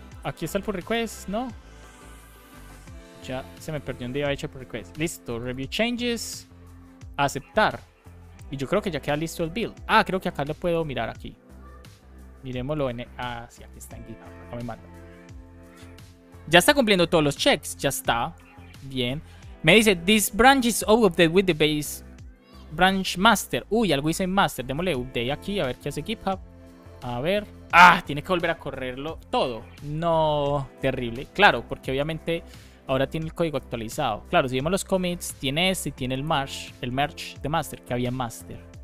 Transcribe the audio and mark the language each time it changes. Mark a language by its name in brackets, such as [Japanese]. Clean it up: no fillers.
[Spanish] Aquí está el pull request, ¿no? Ya se me perdió un día hecho el pull request. Listo. Review changes. Aceptar. Y yo creo que ya queda listo el build. Ah, creo que acá lo puedo mirar aquí. Miremoslo en. Ah, sí, aquí está en GitHub. Acá me manda. Ya está cumpliendo todos los checks. Ya está. Bien. Me dice: [English] This branch is updated with the base branch master. [Spanish] Uy, algo hice en master. Démosle update aquí a ver qué hace GitHub. A ver. Ah, tiene que volver a correrlo todo. No, terrible. Claro, porque obviamente ahora tiene el código actualizado. Claro, si vemos los commits, tiene este y tiene el merge de master que había en master.